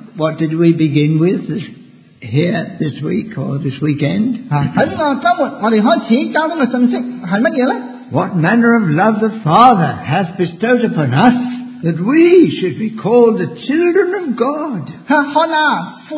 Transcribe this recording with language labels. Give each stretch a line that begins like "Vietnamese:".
English: What did we begin with here this week or this weekend?
Chinese: 在這個週末我們開始交通的信息是什麼呢?
English: What manner of love the Father hath bestowed upon us that we should be called the children of God.